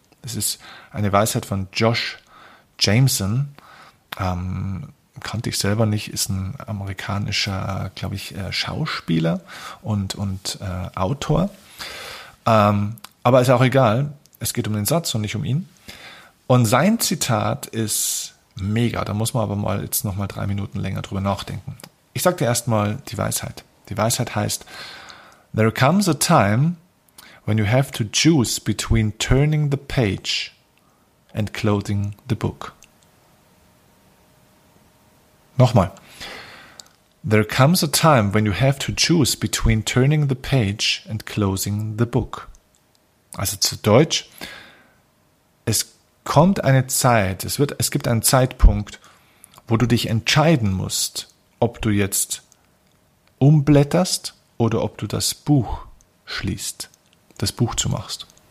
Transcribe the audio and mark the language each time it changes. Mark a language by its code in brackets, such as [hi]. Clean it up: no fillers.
[de] Es ist eine Weisheit von Josh Jameson, kannte ich selber nicht, ist ein amerikanischer, glaube ich, Schauspieler und Autor. Aber ist auch egal, es geht um den Satz und nicht um ihn. Und sein Zitat ist mega, da muss man aber mal jetzt nochmal 3 Minuten länger drüber nachdenken. Ich sage dir erstmal die Weisheit. Die Weisheit heißt, [en] there comes a time when you have to choose between turning the page and closing the book. [de] Nochmal. [en] There comes a time when you have to choose between turning the page and closing the book. [de] Also zu Deutsch, es kommt eine Zeit, es gibt einen Zeitpunkt, wo du dich entscheiden musst, ob du jetzt umblätterst oder ob du das Buch schließt. Das Buch zu machst.